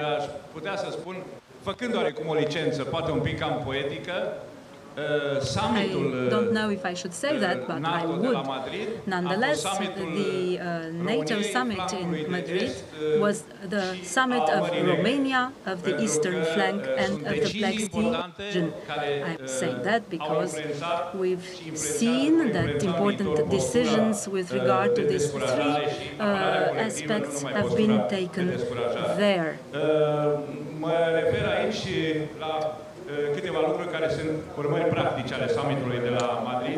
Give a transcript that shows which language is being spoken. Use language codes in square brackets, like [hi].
[ro] Dar aș putea să spun, făcând oarecum o licență, poate un pic cam poetică, summitul [en] I don't know if I should say that, but NATO I would. Madrid, nonetheless, the NATO summit in Madrid was the summit of Romania, of the eastern flank, and of the Black Sea region. I say that because we've seen that important decisions with regard to these three aspects have been taken there. [ro] Mă refer aici la câteva lucruri care sunt urmări practice ale summitului de la Madrid.